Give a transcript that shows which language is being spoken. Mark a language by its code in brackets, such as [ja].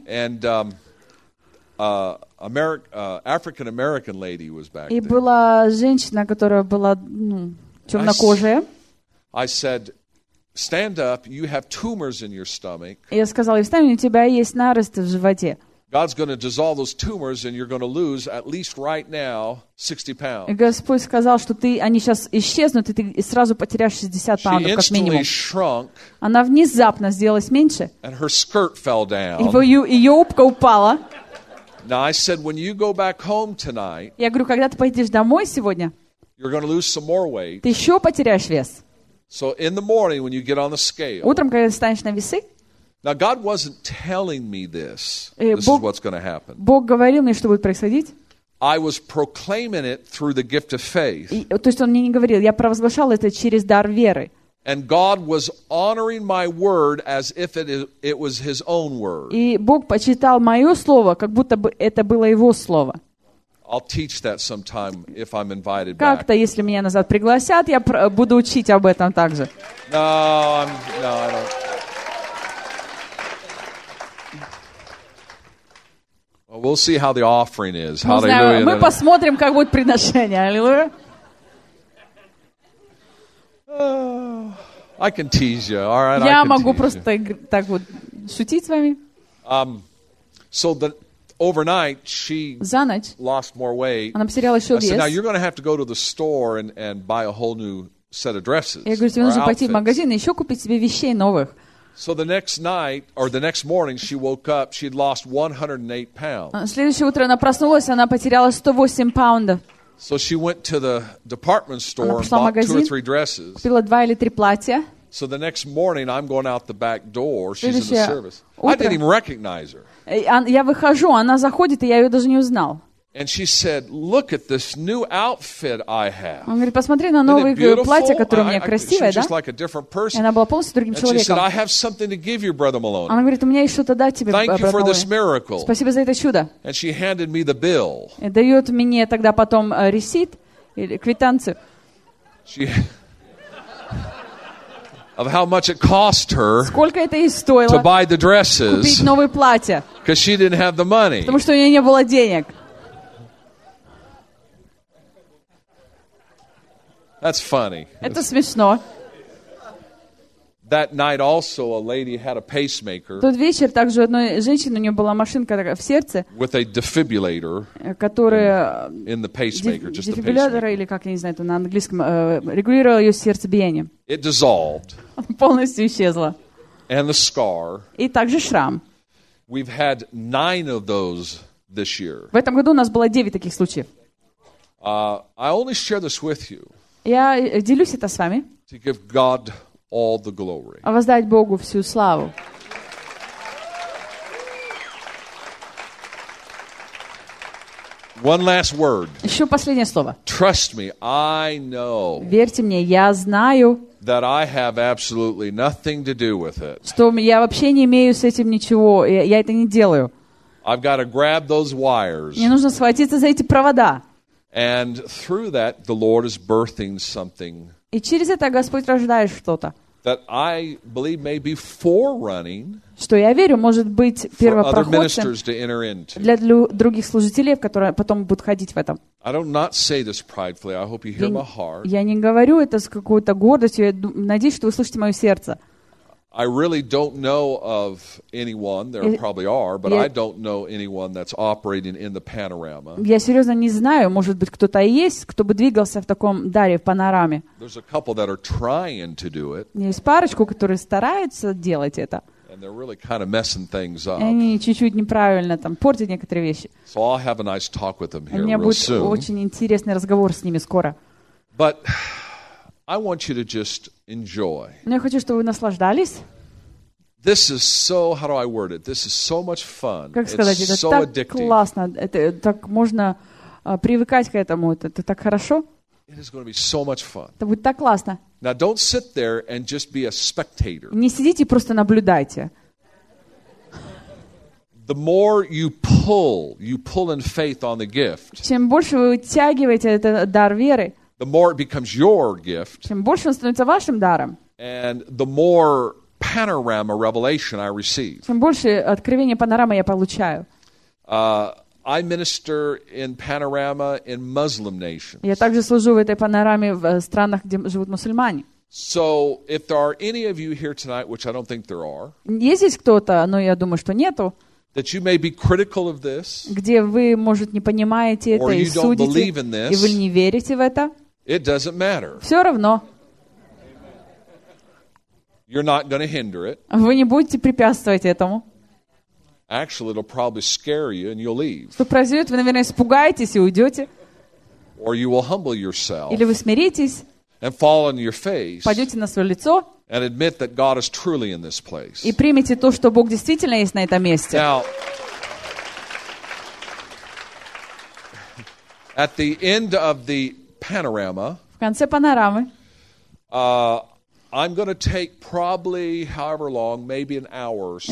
[en] And African American lady was back there. [ru] И была женщина, которая была, ну, темнокожая. [en] I said, "Stand up. You have tumors in your stomach." [ru] Я сказал ей: "Встань, у тебя есть наросты в животе." [en] God's going to dissolve those tumors, and you're going to lose at least right now 60 pounds. [ru] И Господь сказал, что ты, они сейчас исчезнут, и ты сразу потеряешь 60 паундов как минимум. [en] She instantly shrunk. [ru] Она внезапно сделалась меньше. [en] And her skirt fell down. [ru] И ее юбка упала. [en] Now I said, when you go back home tonight, [ru] я говорю, когда ты поедешь домой сегодня, [en] you're going to lose some more weight. [ru] Ты еще потеряешь вес. [en] So in the morning, when you get on the scale, [ru] утром, когда ты встанешь на весы, [en] now God wasn't telling me this. This is what's going to happen. [ru] Бог говорил мне, что будет происходить. [en] I was proclaiming it through the gift of faith. [ru] То есть он мне не говорил, я провозглашал это через дар веры. [en] And God was honoring my word as if it was His own word. [ru] И Бог почитал мое слово, как будто бы это было Его слово. [en] I'll teach that sometime if I'm invited back. [ru] Как-то, если меня назад пригласят, я буду учить об этом также. [en] No, I don't. Well, we'll see how the offering is. Hallelujah. [ru] Мы посмотрим, как будет приношение. Аллилуйя. [en] I can tease you. All right, [ru] я могу просто так вот шутить с вами. [en] So that overnight she [ru] за ночь [en] lost more weight. [ru] Она потеряла еще вес. [en] I said, now you're going to have to go to the store and buy a whole new set of dresses. [ru] Я говорю, тебе нужно пойти в магазин и еще купить себе вещей новых. [en] So the next night or the next morning she woke up, she had lost 108 pounds. [ru] Следующее утро она проснулась, она потеряла 108 паундов. [en] So she went to the department store and bought [ru] магазин, [en] two or three dresses. [ru] Купила два или три платья. [en] So the next morning I'm going out the back door. She's in the service. [ru] Утро. [en] I didn't even recognize her. [ru] Я выхожу, она заходит, и я ее даже не узнал. [en] And she said, "Look at this new outfit I have." [ru] Он говорит, посмотри на новое платье, которое у меня красивое, да? [en] She was just like a different person. [ru] Она была полностью другим человеком. [en] And she said, "I have something to give you, Brother Malone." [ru] Она говорит, у меня есть что-то дать тебе, брат Малоне. [en] Thank you for this miracle. [ru] Спасибо за это чудо. [en] And she handed me the bill. [ru] И дает мне тогда потом ресит или квитанцию. [en] She of how much it cost her to buy the dresses. [ru] Купить новое платье. [en] Because she didn't have the money. [ru] Потому что у нее не было денег. [en] That's funny. [ru] Это смешно. [en] That night also a lady had a pacemaker. [ru] Тот вечер также у одной женщины у нее была машинка в сердце. [en] With a defibrillator. [ru] Которая [en] in the pacemaker, just the [ru] defibrillator или как я не знаю, это на английском регулировал ее сердцебиение. [en] It dissolved. [ru] Полностью исчезла. [en] And the scar. [ru] И также шрам. [en] We've had 9 of those this year. [ru] В этом году у нас было 9 таких случаев. [en] I only share this with you. [ru] Я делюсь это с вами. [en] To give God all the glory. [ru] А воздать Богу всю славу. [en] One last word. [ru] Еще последнее слово. [en] Trust me, I know. [ru] Верьте мне, я знаю. [en] That I have absolutely nothing to do with it. [ru] Что я вообще не имею с этим ничего. Я это не делаю. [en] I've got to grab those wires. [ru] Мне нужно схватиться за эти провода. [en] And through that, the Lord is birthing something. [ru] И через это Господь рождает что-то. [en] That I believe may be forerunning. [ru] Что я верю, может быть первопроходцем. [en] For other ministers to enter into. [ru] Для других служителей, которые потом будут ходить в этом. [en] I don't not say this pridefully. I hope you hear my heart. [ru] Я не говорю это с какой-то гордостью. Я надеюсь, что вы слышите мое сердце. [en] I really don't know of anyone, there probably are, but I don't know anyone that's operating in the panorama. [ru] Я серьезно не знаю, может быть, кто-то есть, кто бы двигался в таком даре, в панораме. [en] There's a couple that are trying to do it. [ru] Есть парочку, которые стараются делать это. [en] And they're really kind of messing things up. [ru] Они чуть-чуть неправильно там портят некоторые вещи. [en] So I'll have a nice talk with them here real soon. [ru] У меня будет очень интересный разговор с ними скоро. [en] But I want you to just enjoy. [ru] Но я хочу, чтобы вы наслаждались. [en] This is so, how do I word it? This is so much fun. [ru] Как сказать, [en] it's [ru] это [en] so [ru] так [en] addictive. [ru] Классно. Это так можно привыкать к этому. Это так хорошо. [en] It is going to be so much fun. [ru] Это будет так классно. [en] Now don't sit there and just be a spectator. [ru] Не сидите, просто наблюдайте. [en] The more you pull in faith on the gift. [ru] Чем больше вы утягиваете этот дар веры. [en] The more it becomes your gift, [ru] чем больше он становится вашим даром, [en] and the more panorama revelation I receive, [ru] чем больше откровения панорамы я получаю. [en] I minister in panorama in Muslim nations. [ru] Я также служу в этой панораме в странах, где живут мусульмане. [en] So, if there are any of you here tonight, which I don't think there are, [ru] есть здесь кто-то, но я думаю, что нету. [en] That you may be critical of this, [ru] где вы, может, не понимаете это и судите, и вы не верите в это, [en] it doesn't matter. [ru] Все равно. [en] You're not gonna hinder it. [ru] Вы не будете препятствовать этому. [en] Actually, it'll probably scare you and you'll leave. [ru] Что произойдет, вы, наверное, испугаетесь и уйдете. [en] Or you will humble yourself. [ru] Или вы смиритесь. [en] And fall on your face. [ru] Пойдете на свое лицо. [en] And admit that God is truly in this place. [ru] И примите то, что Бог действительно есть на этом месте. [en] Now, at the end of the panorama, [ru] в конце панорамы, [en] I'm going to take probably however long, maybe an hour or so.